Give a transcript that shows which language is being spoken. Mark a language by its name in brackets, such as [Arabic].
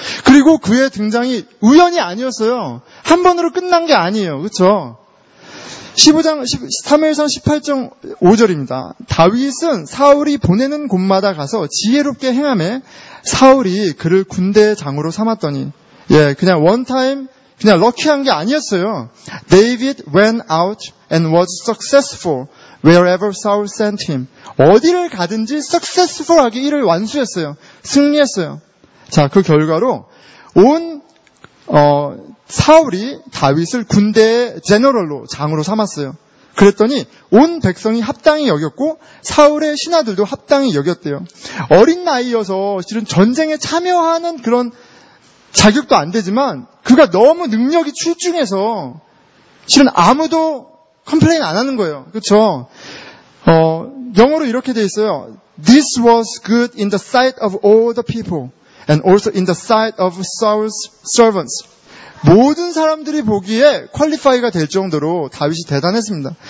[Korean] 그리고 그의 등장이 우연이 아니었어요. 한 번으로 끝난 게 아니에요. 그렇죠? 15장 사무엘상 18장 5절입니다. 다윗은 사울이 보내는 곳마다 가서 지혜롭게 행함에 사울이 그를 군대의 장으로 삼았더니, 예, 그냥 원타임, 그냥 럭키한 게 아니었어요. [English] David went out and was successful wherever Saul sent him. [Korean] 어디를 가든지 successful하게 일을 완수했어요. 승리했어요. 자, 그 결과로 온 사울이 다윗을 군대의 제너럴로 장으로 삼았어요. 그랬더니 온 백성이 합당히 여겼고 사울의 신하들도 합당히 여겼대요. 어린 나이여서 실은 전쟁에 참여하는 그런 자격도 안 되지만 그가 너무 능력이 출중해서 실은 아무도 컴플레인 안 하는 거예요. 그렇죠? 영어로 이렇게 돼 있어요. [English] This was good in the sight of all the people and also in the sight of Saul's servants. [Korean] 모든 사람들이 보기에 퀄리파이가 될 정도로 다윗이 대단했습니다.